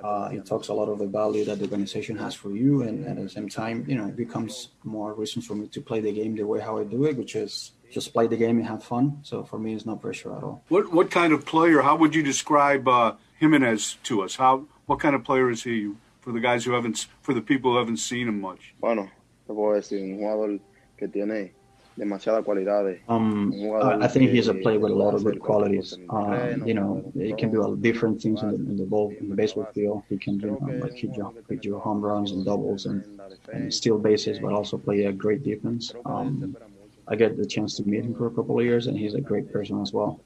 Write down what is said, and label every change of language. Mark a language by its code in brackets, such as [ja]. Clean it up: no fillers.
[en] It talks a lot of the value that the organization has for you, and at the same time, you know, it becomes more reasons for me to play the game the way how I do it, which is just play the game and have fun. So for me, it's no pressure at all. What kind of player? How would you describe Jimenez to us? What kind of player is he for the guys who haven't, for the people who haven't seen him much? [es] Bueno, te puedo decir, un jugador que tiene [en] I think he's a player with a lot of good qualities. You know, he can do a lot of different things in the ball, in the baseball field. He can do, like, hit you home runs and doubles and steal bases, but also play a great defense. I get the chance to meet him for a couple of years, and he's a great person as well.